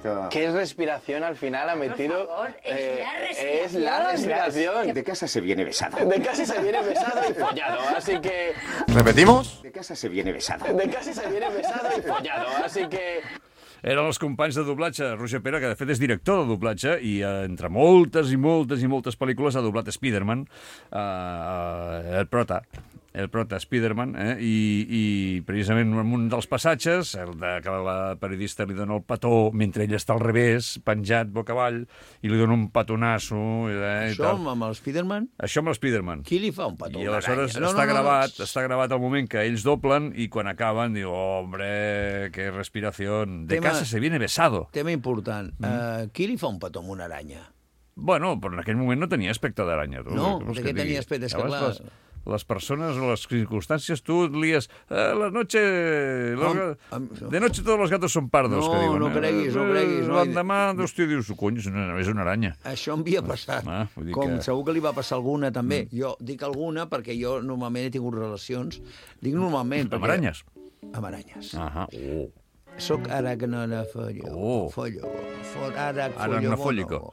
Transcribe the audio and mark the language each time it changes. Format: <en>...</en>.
<es>Qué respiración al final ha metido. Por favor, es la respiración. De casa se viene besado. De casa se viene besado y follado, así que. ¿Repetimos? De casa se viene besado. De casa se viene besado y follado, así que.</es> <ca>Eren els companys de doblatge, Roger Pera, que de fet és director de doblatge i entre moltes i moltes i moltes pel·lícules ha doblat Spider-Man, el prota, Spider-Man, i precisament en un dels passatges, el de que la periodista li dona el petó mentre ell està al revés, penjat boca avall, i li dona un petonasso... Això amb el Spider-Man? Qui li fa un petó? I aleshores està gravat el moment que ells doblen i quan acaben diu,</ca> <es>hombre, que respiración... Casa se viene besado.</es> <ca>Tema important. Qui li fa un petó amb una aranya? Bueno, però en aquell moment no tenia aspecte d'aranya. No, perquè tenia aspecte, és que clar... Les persones o les circumstàncies, tu lies...</ca> <es>la noche... de noche todos los gatos son pardos,</es> <ca>no, que diuen. No, creguis, no creguis. L'endemà, hòstia, dius, cony, és una aranya. Això em havia passat. Segur que li va passar alguna, també. Mm. Jo dic alguna perquè jo normalment he tingut relacions. Dic normalment... Amb aranyes? Amb aranyes. Ahà. Sóc aracnofòllo. Aracnofòllico.</ca>